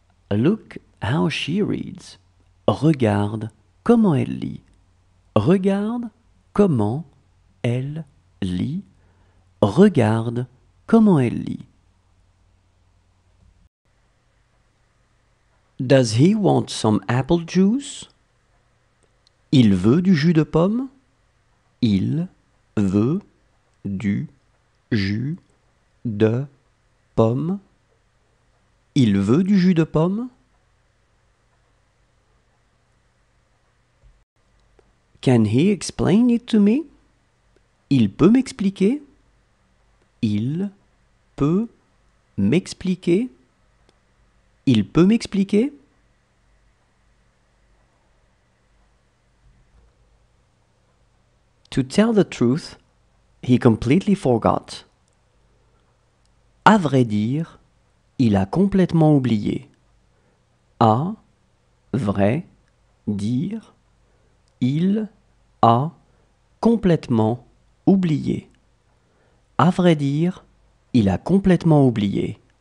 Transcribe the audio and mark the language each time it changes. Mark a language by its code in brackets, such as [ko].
[en] Look how she reads. [fr] Regarde comment elle lit. Regarde comment elle lit. Regarde comment elle lit. [en] Does he want some apple juice? [fr] Il veut du jus de pomme? Il veut du jus de pomme? Il veut du jus de pomme? [en] Can he explain it to me? [fr] Il peut m'expliquer? Il peut m'expliquer? Il peut m'expliquer? [en] To tell the truth, he completely forgot. [fr] À vrai dire, il a complètement oublié. À vrai dire, il a complètement oublié. À vrai dire, il a complètement oublié.